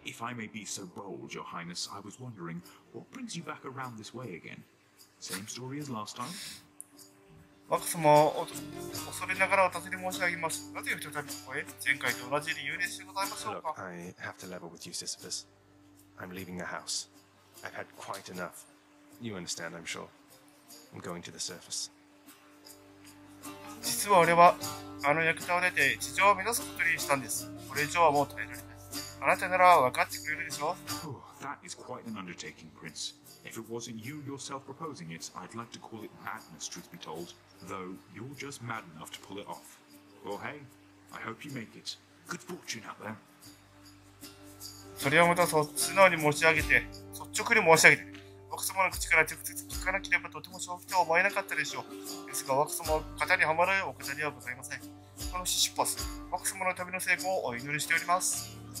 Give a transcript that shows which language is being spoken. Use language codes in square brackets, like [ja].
[en] If I may be so bold, Your Highness, I was wondering what brings you back around this way again? Same story as last time? [ja] 若様、恐れながらお尋ね申し上げます。なぜ再びここへ？前回と同じ理由でございましょうか。 [en] Look, I have to level with you, Sisyphus. I'm leaving the house. I've had quite enough. You understand, I'm sure. I'm going to the surface. [ja] 実は俺は、あの役者を出て地上を目指すことにしたんです。これ以上はもう耐えられない。あなたなら分かってくれるでしょう。 [en] That is quite an undertaking, Prince. If it wasn't you yourself proposing it, I'd like to call it madness, truth be told. Though, you're just mad enough to pull it off. Well, hey, I hope you make it. Good fortune out there. [ja] それをまた素直に申し上げて、率直に申し上げて、若様の口から直接聞かなければとても正気とは思えなかったでしょう。ですが、若様は型にはまるお方ではございません。このシシパス、若様の旅の成功をお祈りしております。